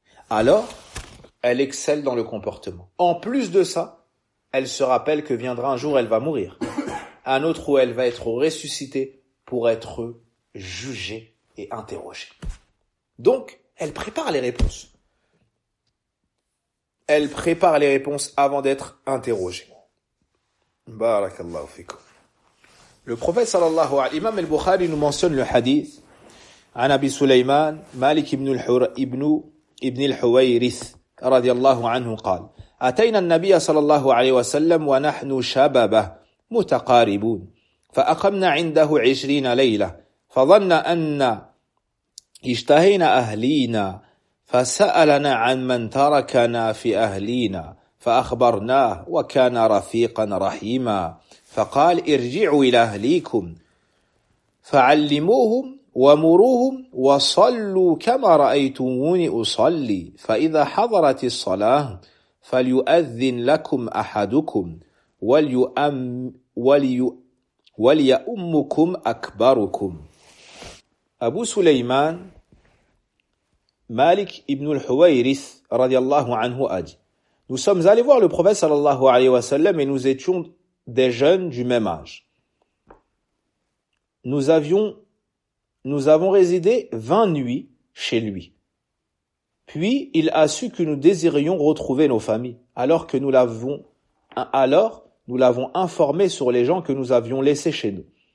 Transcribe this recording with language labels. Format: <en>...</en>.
<fr>Alors, elle excelle dans le comportement. En plus de ça, elle se rappelle que viendra un jour, elle va mourir. Un autre où elle va être ressuscitée pour être jugée et interrogée. Donc, elle prépare les réponses. Elle prépare les réponses avant d'être interrogée. Barakallahu fikum. Le prophète sallallahu alayhi wa sallam, Imam al-Bukhari nous mentionne le hadith An Abi Sulayman, Malik ibn al-Hur, ibn al-Huwayrith, radiallahu anhu,</fr> <ar>قال أتينا النبي صلى الله عليه وسلم ونحن شباب متقاربون فأقمنا عنده 20 ليلة فظن أن اشتهينا أهلينا فسألنا عن من تركنا في أهلينا فأخبرناه وكان رفيقا رحيما فقال ارجعوا إلى أهليكم فعلموهم ومروهم وصلوا كما رأيتموني أصلي فإذا حضرت الصلاة فليؤذن لكم أحدكم وليؤمكم أكبركم. أبو سليمان مالك ابن الحويرث رضي الله عنه أجي.</ar> <fr>Nous sommes allés voir le prophète sallallahu alayhi wa sallam et nous étions des jeunes du même âge. Nous avons résidé 20 nuits chez lui. Puis il a su que nous désirions retrouver nos familles, alors nous l'avons informé sur les gens que nous avions laissés chez nous.</fr>